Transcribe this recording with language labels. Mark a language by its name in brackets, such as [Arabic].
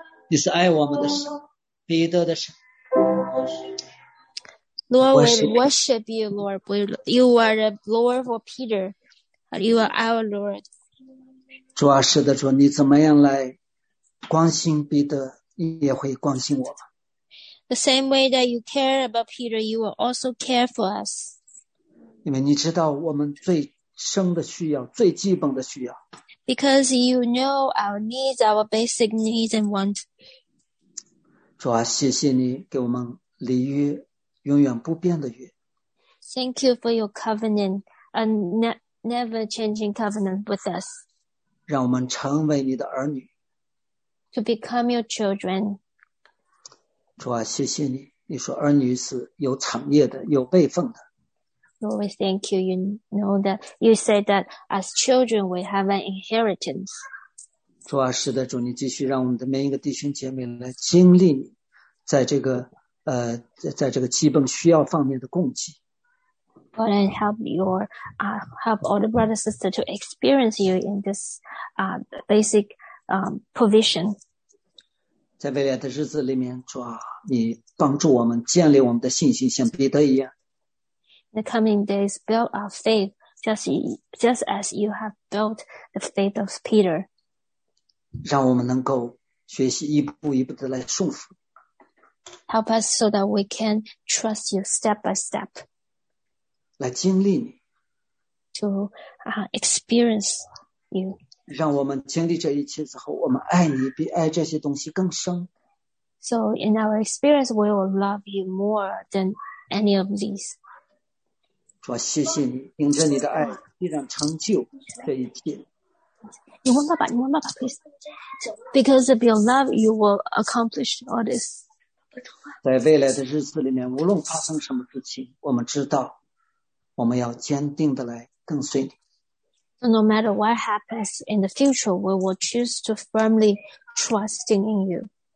[Chinese] 你是爱我们的神，彼得的神。 [English] Lord, we worship you, Lord. You are the Lord for Peter. You are our Lord. [Chinese] 主啊，使得主，你怎么样来关心彼得，也会关心我们。 [English] The same way that you care about Peter, you will also care for us. [Chinese] 因为你知道我们最深的需要，最基本的需要。 [English] Because you know our needs, our basic needs and wants. [Chinese] 主啊，谢谢你给我们立约，永远不变的约。 [English] Thank you for your covenant, a never changing covenant with us. [Chinese] 让我们成为你的儿女。 [English] To become your children. [Chinese] 主啊，谢谢你！你说儿女是有产业的，有辈分的。 [English] Lord, we thank you. You know that you said that as children we have an inheritance. [Chinese] 主啊，是的，主，你继续让我们的每一个弟兄姐妹来经历你，在这个在这个基本需要方面的供给。 [English] God, and help your help all the brothers and sisters to experience you in this basic provision. [Chinese] 在未来的日子里面，主啊，你帮助我们建立我们的信心，像彼得一样。 [English] In the coming days, build our faith, just as you have built the faith of Peter. [Chinese] 让我们能够学习一步一步的来顺服。 [English] Help us so that we can trust you step by step. [Chinese] 来经历你。 [English] To experience you. [Chinese] 让我们经历这一切之后，我们爱你比爱这些东西更深。 [English] So in our experience, we will love you more than any of these. [Chinese] 主啊，谢谢你，因着你的爱，必然成就这一切。你问爸爸，你问爸爸 ， [English] please. Because of your love, you will accomplish all this. [Chinese] 在未来的日子里面，无论发生什么事情，我们知道，我们要坚定的来跟随你。 [English] So no matter what happens in the future, we will choose to firmly trust in you.